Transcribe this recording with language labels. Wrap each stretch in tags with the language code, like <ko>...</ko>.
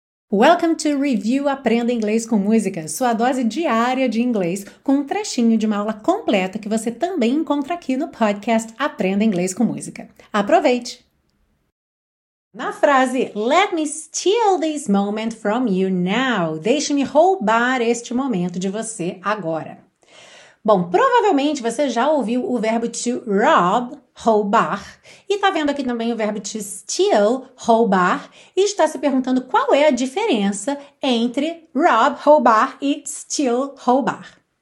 <en>Welcome to</en> <pt>Review Aprenda Inglês com Música, sua dose diária de inglês com um trechinho de uma aula completa que você também encontra aqui no podcast Aprenda Inglês com Música. Aproveite! Na frase,</pt> <en>let me steal this moment from you now.</en> <pt>Deixe-me roubar este momento de você agora. Bom, provavelmente você já ouviu o verbo to rob, roubar, e tá vendo aqui também o verbo to steal, roubar, e está se perguntando qual é a diferença entre rob, roubar e steal, roubar.</pt>